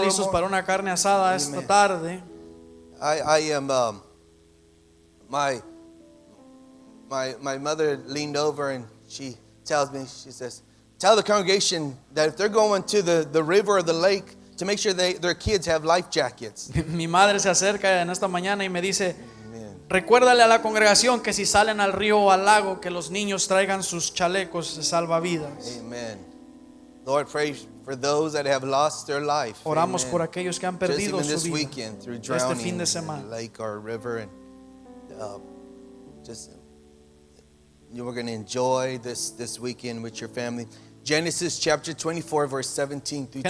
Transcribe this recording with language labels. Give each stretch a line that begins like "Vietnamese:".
Spanish: ¿Están listos para una carne asada esta tarde?
English: I am. My mother leaned over and she tells me. She says, "Tell the congregation that if they're going to the river or the lake, to make sure their kids have life jackets."
Spanish: Mi madre se acerca en esta mañana y me dice. Recuérdale a la congregación que si salen al río o al lago, que los niños traigan sus chalecos de salvavidas.
English: Amen. Lord, pray for those that have lost their life.
Spanish: Oramos
English: Amen.
Spanish: Por aquellos que han perdido
English: just
Spanish: su vida.
English: Weekend, through drowning,
Spanish: este fin de semana.
English: A lake or a river, and just you are going to enjoy this weekend with your family. Genesis chapter 24, verse 17 through 20.